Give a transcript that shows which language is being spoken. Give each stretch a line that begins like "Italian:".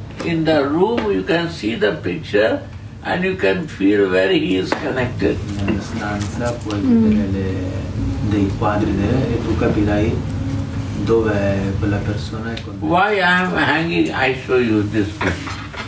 English: In the room you can see the picture and you can feel where he is connected.
Italian: Nella stanza puoi vedere dei quadri e tu capirai dove quella persona è connessa.
English: Why I am hanging, I show you this picture.